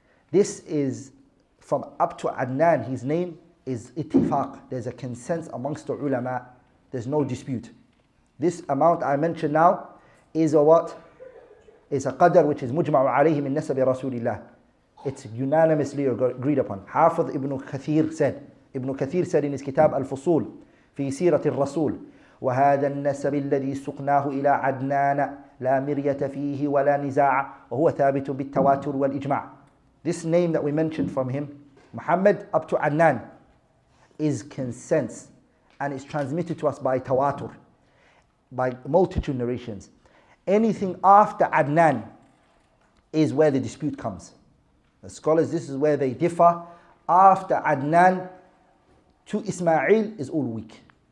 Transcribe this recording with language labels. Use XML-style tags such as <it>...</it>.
<en>This is from up to Adnan. His name is Ittifaq. There's a consensus amongst the ulama. There's no dispute. This amount I mentioned now is a what? It's a qadr which is</en> <ar>mujma'u alayhi min nasabi rasulillah.</ar> <en>It's unanimously agreed upon. Hafiz ibn Kathir said, Ibn Kathir said in his kitab Al-Fusul, fi siratil rasul,</en> <ar>وَهَذَا النَّسَبِ الَّذِي سُقْنَاهُ إِلَىٰ عَدْنَانَ لَا مِرْيَةَ فِيهِ وَلَا نِزَاعَ وَهُوَ ثَابِتٌ بِالتَّوَاتُرُ وَالْإِجْمَعَ.</ar> <en>This name that we mentioned from him, Muhammad up to Adnan, is consensus and is transmitted to us by tawatur, by multitude narrations. Anything after Adnan is where the dispute comes. The scholars, this is where they differ. After Adnan to Ismail is all weak.</en>